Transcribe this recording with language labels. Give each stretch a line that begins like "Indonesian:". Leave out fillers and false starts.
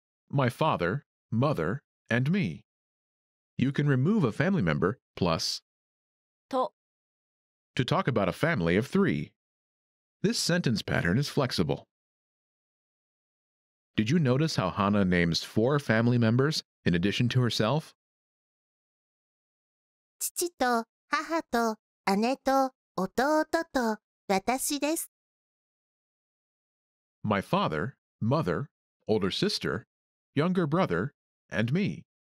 English: My father, mother, and me. You can remove a family member plus to talk about a family of three. This sentence pattern is flexible. Did you notice how Hana names four family members in addition to herself?
Japanese: 父と母と姉と弟と私です。
English: My father, mother, older sister, younger brother, and me.